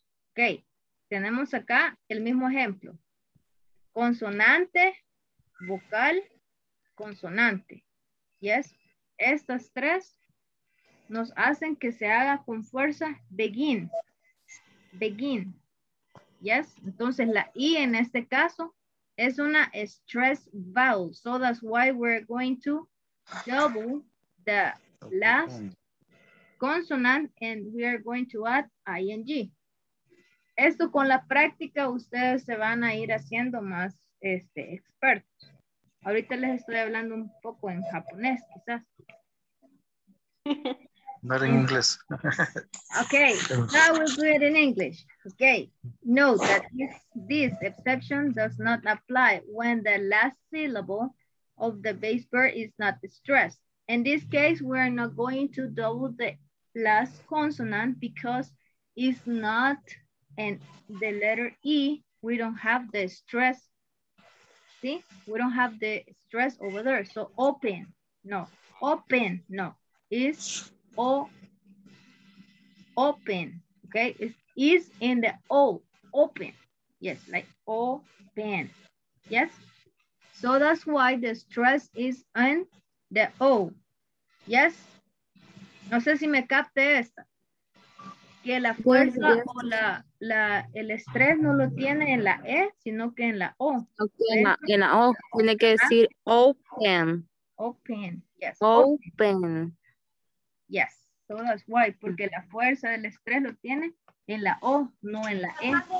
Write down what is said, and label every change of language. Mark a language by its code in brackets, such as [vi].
[es] Ok, tenemos acá el mismo ejemplo. Consonante, vocal, consonante. Yes, estas tres nos hacen que se haga con fuerza begin. Begin. Yes, entonces la I en este caso es una stress vowel. [en] So that's why we're going to double the last consonant and we are going to add ing. [es] Esto con la práctica ustedes se van a ir haciendo más expertos. Ahorita les estoy hablando un poco en japonés, quizás. [en] Not in English. Okay, now we'll do it in English. Okay, note that this exception does not apply when the last syllable of the base verb is not stressed. In this case, we're not going to double the last consonant because it's not and the letter E we don't have the stress. See, we don't have the stress over there. So open, no, open, no. Is O, open, okay? Is in the O, open. Yes, like open, yes? So that's why the stress is on the O, yes? [es] No sé si me capte esta. Que la fuerza o la el estrés no lo tiene en la E, sino que en la O. Okay, en la O, tiene que decir open. [en] Open, yes. Open. Yes, so that's why, [es] porque la fuerza del estrés lo tiene en la O, no en la E.